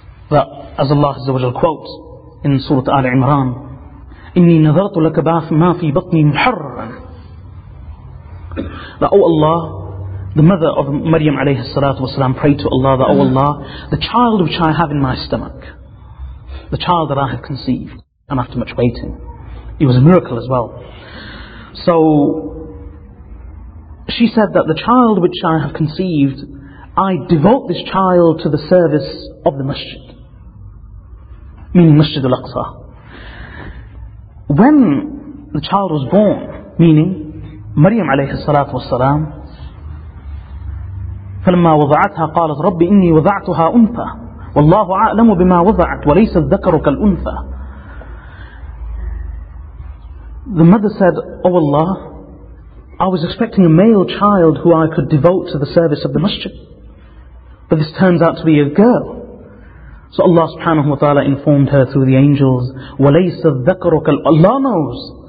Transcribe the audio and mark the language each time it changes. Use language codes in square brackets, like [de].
[en] that, as Allah Azza wa Jalla quotes in Surah Al Imran, [ar] "Inni nazartu laka ba'af ma fi batni muharran," [en] that, "Oh Allah," the mother of Maryam alayhi salatu wasalam prayed to Allah that, "Oh Allah, the child which I have in my stomach, the child that I have conceived, and after much waiting," it was a miracle as well. So she said that, "The child which I have conceived, I devote this child to the service of the masjid," meaning Masjid al-Aqsa. When the child was born, meaning Maryam alayhi salatu wasalam, [ar] فَلَمَّا وَضَعَتْهَا قَالَتْ رَبِّ إِنِّي وَضَعْتُهَا أُنْثَى وَاللَّهُ أَعْلَمُ بِمَا وَضَعَتْ وَلَيْسَ الذَّكَرُ كَالْأُنْثَى." [en] The mother said, "Oh Allah, I was expecting a male child who I could devote to the service of the masjid, but this turns out to be a girl." So Allah subhanahu wa ta'ala informed her through the angels, [ar] "وَلَيْسَ الذَّكَرُ كَالْأُنْثَى."